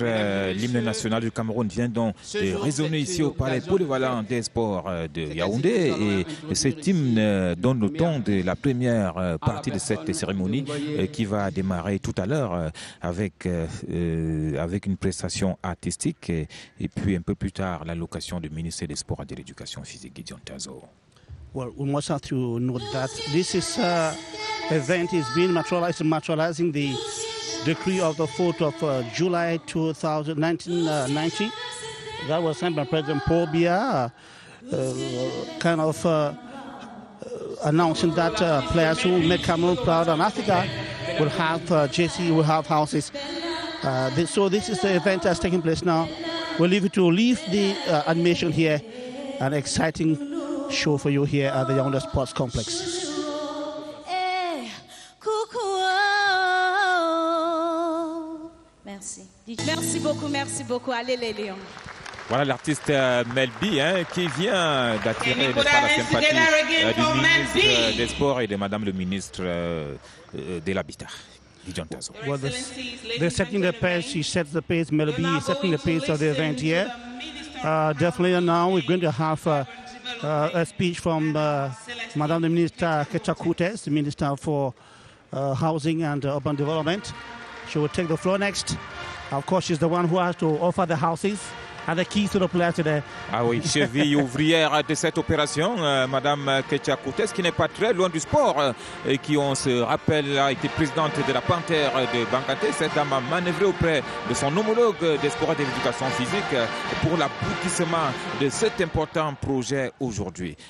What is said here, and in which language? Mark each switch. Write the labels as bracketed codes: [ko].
[fr] L'hymne national du Cameroun vient donc de résonner ici au palais polyvalent des sports de Yaoundé. Et cet hymne donne le ton de la première partie de cette cérémonie qui va démarrer tout à l'heure avec une prestation artistique et puis un peu plus tard l'allocation du ministère des Sports et de l'Éducation physique, Gideon Tazo. [en] Well, we must have to note that this is event is being materializing the decree of the 4th of July 2019, that was signed by President Paul Biya, announcing that players who make Cameroon proud and Africa will have houses. So this is the event that's taking place now. We'll leave the animation here an exciting show for you here at the Yaoundé Sports Complex. [fr] Merci beaucoup, merci beaucoup. Allez les Lions. Voilà l'artiste Melby hein, qui vient d'attirer la sympathie du ministre des Sports et de Madame le ministre de l'Habitat. [en] Well, they're setting the pace. He sets the pace. Melby is setting the pace of the event here. Definitely now we're going to have a speech from Madame the Minister Ketia Kuteh, the Minister for Housing and Urban Development. She will take the floor next. Of course, she's the one who has to offer the houses and the keys to the place today. [fr] Ah oui, cheville ouvrière de cette opération, Madame Ketia Kuteh, qui n'est pas très loin du sport, et qui, on se rappelle, a été présidente de la Panthère de Bankanté. Cette dame a manœuvré auprès de son homologue des sports et de l'éducation physique pour l'aboutissement de cet important projet aujourd'hui.